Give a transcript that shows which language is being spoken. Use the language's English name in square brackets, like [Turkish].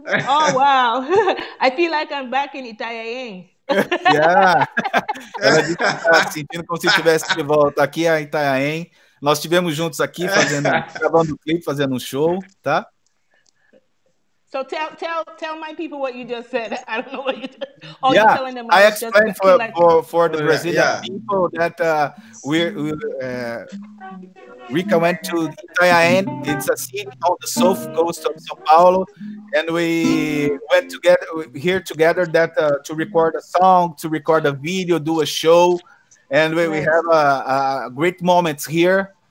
[English] Oh wow, I feel like I'm back in Itaiaém. [Portuguese] Yeah, ela disse que está sentindo como se estivesse de volta aqui em Itaiaém. Nós estivemos juntos aqui gravando um clipe, fazendo um show, tá? [English] So tell my people what you just said. I don't know what you just said. Yeah, telling them I explained for the Brazilian people that Rica went to Itaiaém. It's a city on the south coast of São Paulo, and we went together that to record a song, to record a video, do a show, and we have a great moments here.